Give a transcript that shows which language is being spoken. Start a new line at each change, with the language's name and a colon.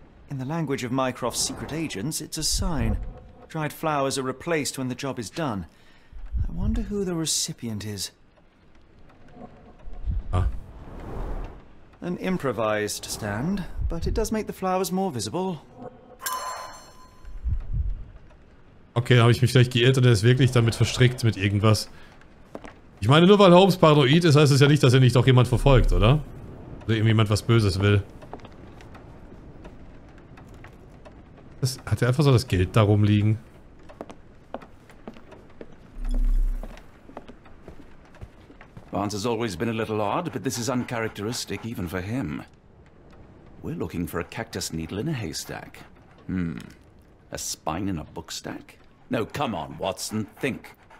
English: In the language of Mycroft's secret agents, it's a sign. Dried flowers are replaced when the job is done. I wonder who the recipient is. Ah. An improvised stand, but it does make the flowers more visible.
German: Okay, da habe ich mich vielleicht geirrt und er ist wirklich damit verstrickt mit irgendwas. Ich meine, nur weil Holmes paranoid ist, heißt es ja nicht, dass er nicht doch jemand verfolgt, oder? Oder irgendjemand was Böses will. Das, hat er einfach so das Geld da rumliegen?
English: Barnes has always been a little odd, but this is uncharacteristic even for him. We're looking for a cactus needle in a haystack. Hmm. A spine in a bookstack? No, come on, Watson, think.